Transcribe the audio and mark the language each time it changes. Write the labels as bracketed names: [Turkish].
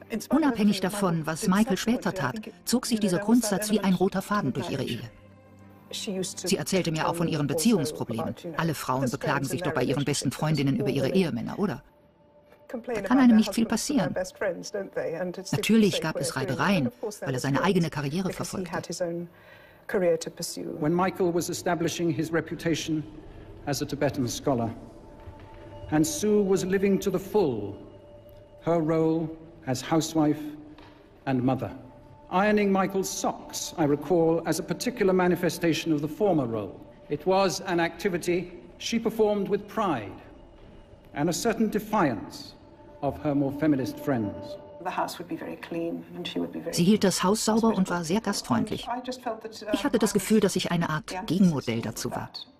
[German] Unabhängig davon, was Michael später tat, zog sich dieser Grundsatz wie ein roter Faden durch ihre Ehe. Sie erzählte mir auch von ihren Beziehungsproblemen. Alle Frauen beklagen sich doch bei ihren besten Freundinnen über ihre Ehemänner, oder? Da kann einem nicht viel passieren. Natürlich gab es Reibereien, weil er seine eigene Karriere verfolgte. [English] When Michael was establishing his reputation as a Tibetan scholar, and Sue was living to the full her role as housewife and mother. Ironing Michael's socks, I recall, as a particular manifestation of the former role. It was an activity she performed with pride and a certain defiance of her more feminist friends. The house would be very clean and she would be very. [German] Sie hielt das Haus sauber und war sehr gastfreundlich. Ich hatte das Gefühl, dass ich eine Art Gegenmodell dazu war.